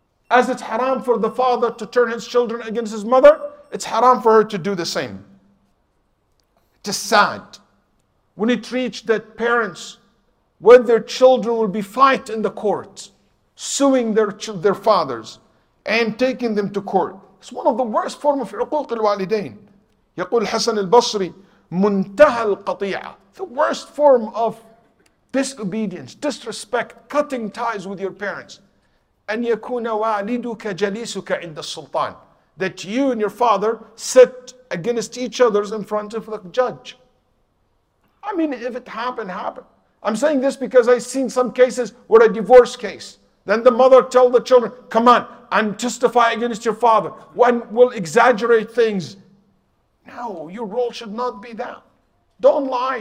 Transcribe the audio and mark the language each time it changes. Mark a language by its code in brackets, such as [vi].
[en] As it's haram for the father to turn his children against his mother, it's haram for her to do the same. It's sad. When it reached that parents, when their children will be fight in the court, suing their fathers, and taking them to court. It's one of the worst forms of [ar] عقوق الوالدين. يقول حسن البصري منتهى القطيعة. [en] The worst form of disobedience, disrespect, cutting ties with your parents. [ar] أن يكون والدك جليسك عند السلطان. [en] That you and your father sit against each other in front of the judge. I mean, if it happened, happened. I'm saying this because I've seen some cases where a divorce case. Then the mother tell the children, come on, and testify against your father. One will exaggerate things. No, your role should not be that. Don't lie.